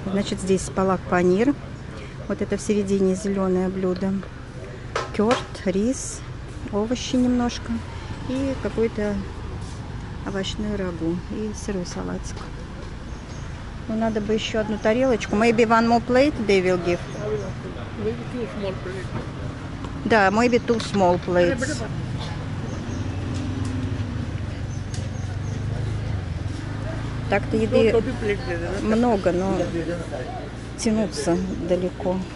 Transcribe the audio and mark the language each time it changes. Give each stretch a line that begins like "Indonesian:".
Russian: Значит, здесь палак панир. Вот это в середине зеленое блюдо. Кёрт, рис, овощи немножко. И какой-то овощной рагу. И сырой салатик. Ну, надо бы еще одну тарелочку.
English: Maybe one more plate they will give. Maybe two small plates. Да, maybe two small plates.
Russian: Так-то еды много, но тянуться далеко.